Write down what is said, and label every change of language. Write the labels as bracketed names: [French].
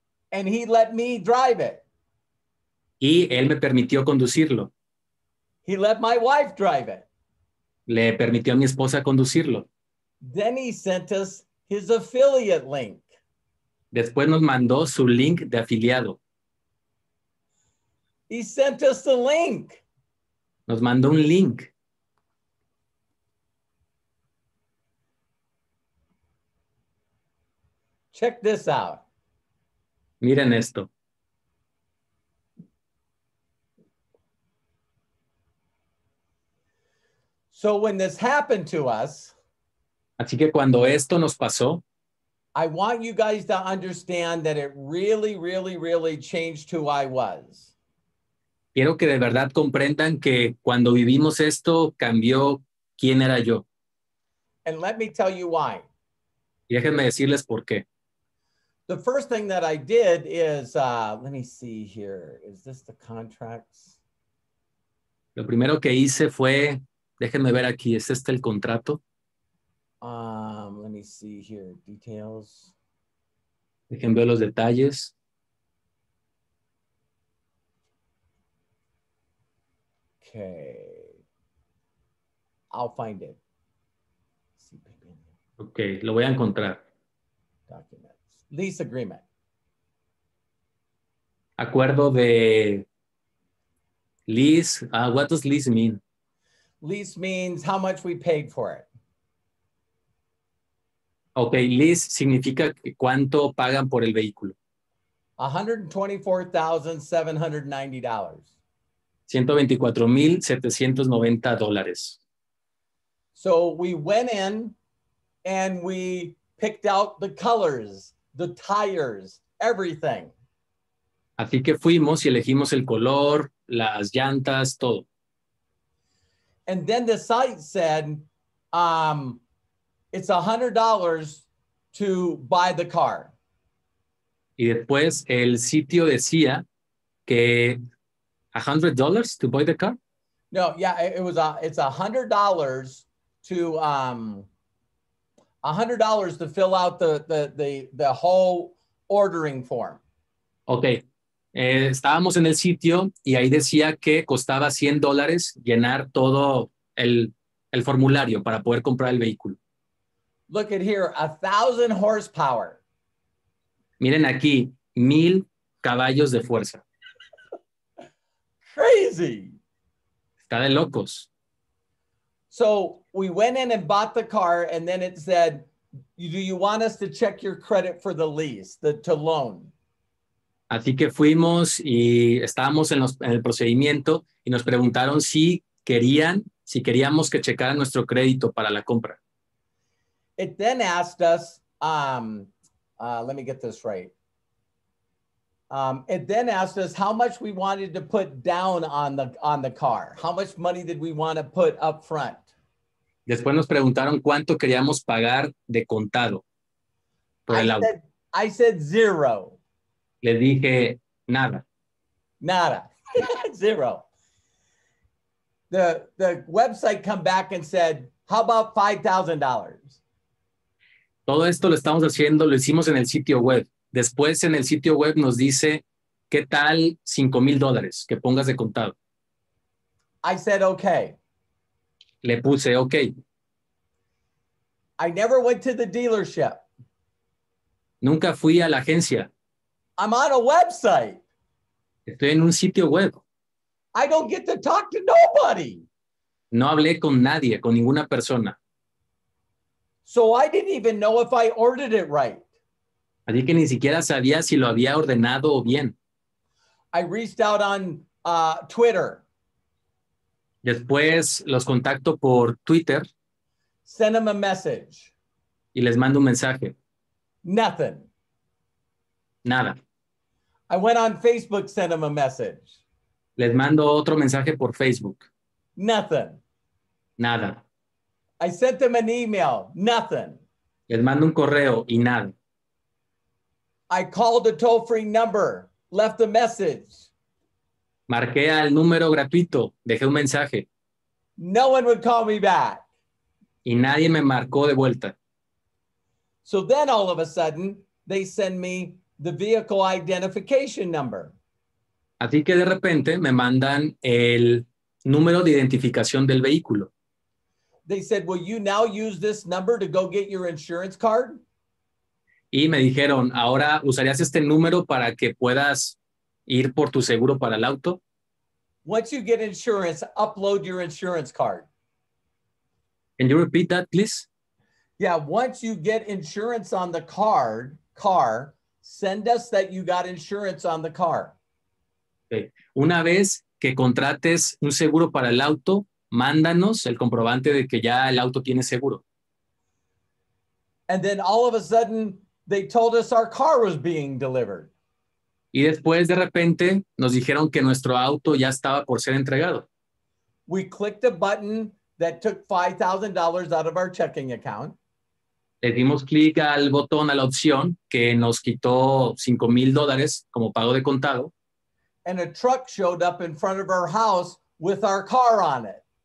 [English] And he let me drive it. [Spanish] Y él me permitió conducirlo. [English] He let my wife drive it. [Spanish] le permitió a mi esposa conducirlo. [English] Then he sent us his affiliate link. [Spanish] Después nos mandó su link de afiliado. [English] He sent us the link. [Spanish] Nos mandó un link. [English] Check this out. [Spanish] Miren esto. [English] So when this happened to us, [Spanish] así que cuando esto nos pasó, [English] I want you guys to understand that it really, really, really changed who I was. [Spanish] Quiero que de verdad comprendan que cuando vivimos esto, cambió quién era yo. [English] And let me tell you why. [Spanish] Y déjenme decirles por qué. [English] The first thing that I did is, let me see here, is this the contracts? [Spanish] Lo primero que hice fue, déjenme ver aquí, ¿es este el contrato? [English] Let me see here, details. [Spanish] Déjenme ver los detalles. [English] Okay, I'll find it. [Spanish] Okay, lo voy a encontrar. [English] Documents. Lease agreement. [Spanish] Acuerdo de lease. [English] What does lease mean? Lease means how much we paid for it. [Spanish] Okay, lease significa cuánto pagan por el vehículo. [English] $124,790. [Spanish] $124,790. [English] So we went in and we picked out the colors, the tires, everything. [Spanish] Así que fuimos y elegimos el color, las llantas, todo. [English] And then the site said, it's $100 to buy the car. [Spanish] Y después el sitio decía que $100 [English] to buy the car? No, yeah, it's $100 to $100 to fill out the whole ordering form. Okay. [Spanish] Estábamos en el sitio y ahí decía que costaba $100 llenar todo el formulario para poder comprar el vehículo. [English] Look at here, 1,000 horsepower. [Spanish] Miren aquí, 1,000 caballos de fuerza. [English] Crazy. [Spanish] Está de locos. [English] So we went in and bought the car, and then it said, do you want us to check your credit for the lease, to loan? [Spanish] Así que fuimos y estábamos en el procedimiento y nos preguntaron si queríamos que checaran nuestro crédito para la compra. [English] It then asked us, let me get this right. It then asked us how much we wanted to put down on the car. How much money did we want to put up front? [Spanish] Después nos preguntaron cuánto queríamos pagar de contado por el auto. [English] I said zero. [Spanish] Le dije nada. [English] Nada. Zero. The website come back and said, how about $5,000? [Spanish] Todo esto lo estamos haciendo, lo hicimos en el sitio web. Después en el sitio web nos dice, ¿qué tal $5,000 que pongas de contado? [English] I said, okay. [Spanish] Le puse, okay. [English] I never went to the dealership. [Spanish] Nunca fui a la agencia. [English] I'm on a website. [Spanish] Estoy en un sitio web. [English] I don't get to talk to nobody. [Spanish] No hablé con nadie, con ninguna persona. [English] So I didn't even know if I ordered it right. [Spanish] Así que ni siquiera sabía si lo había ordenado o bien. [English] I reached out on Twitter. [Spanish] Después los contacto por Twitter. [English] Send them a message. [Spanish] Y les mando un mensaje. [English] Nothing. [Spanish] Nada. [English] I went on Facebook, send them a message. [Spanish] Les mando otro mensaje por Facebook. [English] Nothing. [Spanish] Nada. [English] I sent them an email. Nothing. [Spanish] Les mando un correo y nada. [English] I called the toll-free number, left a message. [Spanish] Marqué al número gratuito, dejé un mensaje. [English] No one would call me back. [Spanish] Y nadie me marcó de vuelta. [English] So then all of a sudden, they send me the vehicle identification number. [Spanish] Así que de repente me mandan el número de identificación del vehículo. [English] they said, will you now use this number to go get your insurance card? [Spanish] Y me dijeron, ahora usarías este número para que puedas ir por tu seguro para el auto. [English] Once you get insurance, upload your insurance card. Can you repeat that, please? Yeah, once you get insurance on the car, send us that you got insurance on the car. Okay. [Spanish] Una vez que contrates un seguro para el auto, mándanos el comprobante de que ya el auto tiene seguro. [English] And then all of a sudden, they told us our car was being delivered. [Spanish] Y después, de repente, nos dijeron que nuestro auto ya estaba por ser entregado. [English] We clicked a button that took $5,000 out of our checking account. [Spanish] Le dimos clic al botón, a la opción, que nos quitó $5,000 como pago de contado. [English] And a truck showed up in front of our house with our car on it.